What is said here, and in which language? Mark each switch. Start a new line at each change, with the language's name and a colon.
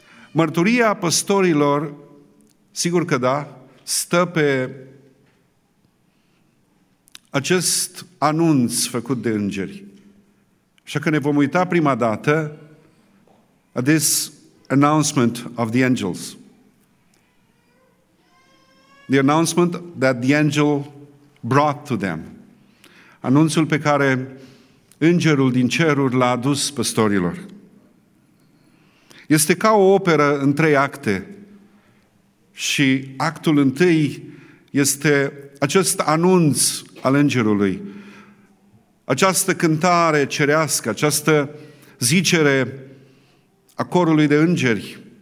Romanian: Mărturia păstorilor, sigur că da, stă pe acest anunț făcut de îngeri. Așa că ne vom uita prima dată
English: at this announcement of the angels. The announcement that the angel brought to them.
Romanian: Anunțul pe care Îngerul din ceruri l-a adus păstorilor. Este ca o operă în trei acte. Și actul întâi este acest anunț al îngerului. Această cântare cerească, această zicere a corului de îngeri.